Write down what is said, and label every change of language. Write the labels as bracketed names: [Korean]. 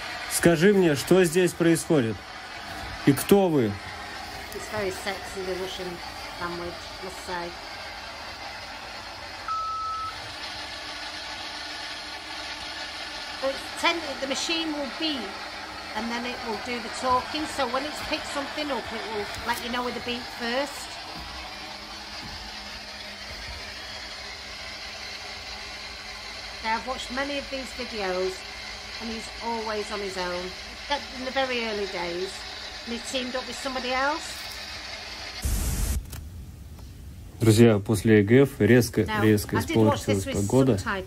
[Russian] Скажи мне, что здесь происходит? И кто вы? [English] It's very sexy, the Russian language, must say. The machine will beep, and then it will do the talking. So when it's picked something up, it will let you know with a beep first. I've watched many of these videos, and he's always on his own. Except in the very early days, and he teamed up with somebody else. [Russian] Друзья, после ЕГФ резко испортилась погода.